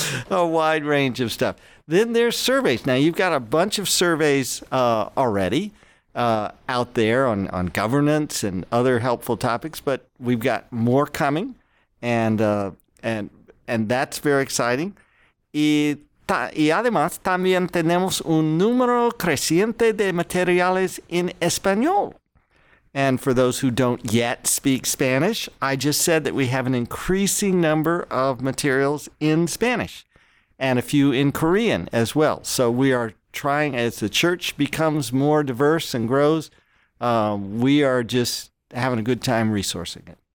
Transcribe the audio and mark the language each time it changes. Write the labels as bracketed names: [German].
[English] A wide range of stuff. Then there's surveys. Now, you've got a bunch of surveys already out there on governance and other helpful topics, but we've got more coming, and that's very exciting. [Spanish] Y además, también tenemos un número creciente de materiales en español. [English] And for those who don't yet speak Spanish, I just said that we have an increasing number of materials in Spanish and a few in Korean as well. So we are trying, as the church becomes more diverse and grows, we are just having a good time resourcing it.